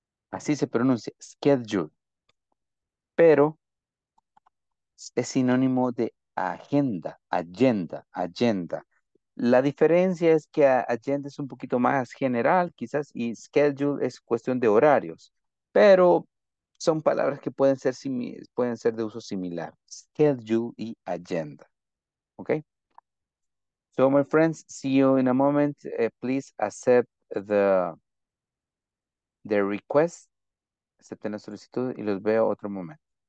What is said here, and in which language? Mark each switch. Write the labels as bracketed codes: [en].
[es] Así se pronuncia, schedule. Pero es sinónimo de agenda, agenda, agenda. La diferencia es que agenda es un poquito más general, quizás, y schedule es cuestión de horarios. Pero son palabras que pueden ser de uso similar. Schedule y agenda. ¿Ok? [en] So, my friends, see you in a moment. Please accept the request. [es] Acepten la solicitud y los veo otro momento.